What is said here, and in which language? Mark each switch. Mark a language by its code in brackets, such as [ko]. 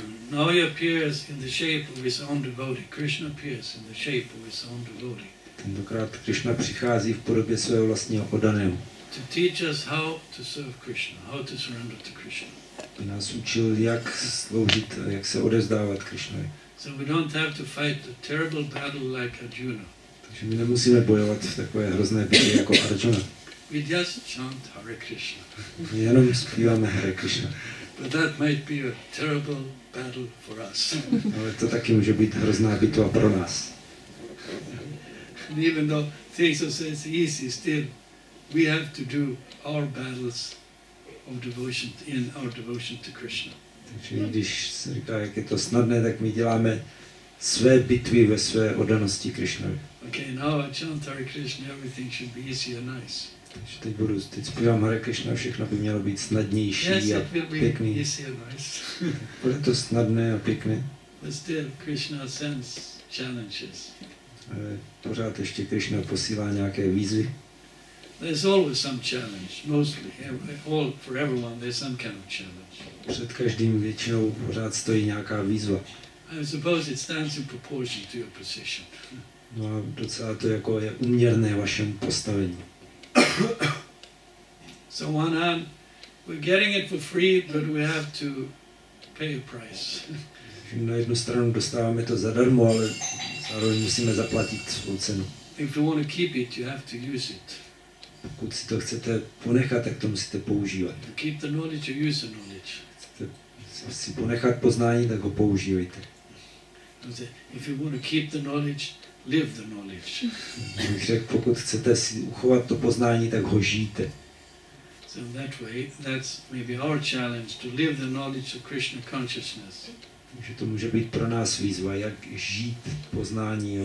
[en] Now he appears in the shape of his own devotee. Krishna appears in the shape of his own devotee. [cs] Tentokrát Krishna přichází v podobě svého vlastního oddaného. [en] To teach us how to serve Krishna, how to surrender to Krishna. [cs] Aby nás učil, jak sloužit, jak se odevzdávat Krishnovi. [en] So we don't have to fight a terrible battle like Arjuna. [cs] Takže my nemusíme bojovat v takové hrozné bitvě jako Arjuna. [en] We just chant Hare Krishna. [cs] My jenom zpíváme Hare Krishna. [en] But that might be a terrible battle for us. [cs] Ale to taky může být hrozná bitva pro nás. [en] And even though things are so easy, still we have to do our battles of devotion, in our devotion to Krishna. [cs] Takže když se říká, jak je to snadné, tak my děláme své bitvy ve své oddanosti Krishnovi. [en] Okay, now I chant Hare Krishna, everything should be easy and nice. [cs] Takže teď budu, teď zpívám Hare Krishna, všechno by mělo být snadnější a pěkný. [en] Yes, it will be easy and nice. [cs] Bude to snadné a pěkné. [en] But still, Krishna sends challenges. [cs] Ale pořád ještě Krishna posílá nějaké výzvy. [en] There's always some challenge, mostly, all for everyone, there's some kind of challenge. [cs] Před každým většinou pořád stojí nějaká výzva. [en] I suppose it stands in proportion to your position. [cs] No a docela to jako je uměrné vašemu postavení. [en] So one hand, we're getting it for free, but we have to pay a price. [cs] Na jednu stranu dostáváme to zadarmo, ale zároveň musíme zaplatit svou cenu. [en] If you want to keep it, you have to use it. [cs] Pokud si to chcete ponechat, tak to musíte používat. [en] Keep the knowledge or use the knowledge. [cs] Chcete si ponechat poznání, tak ho používejte. [en] If you want to keep the knowledge, live the knowledge. [cs] Řekl, pokud chcete si uchovat to poznání, tak ho žijte. [en] So in that way, that's maybe our challenge, to live the knowledge of Krishna consciousness. [cs] Takže to může být pro nás výzva, jak žít poznání o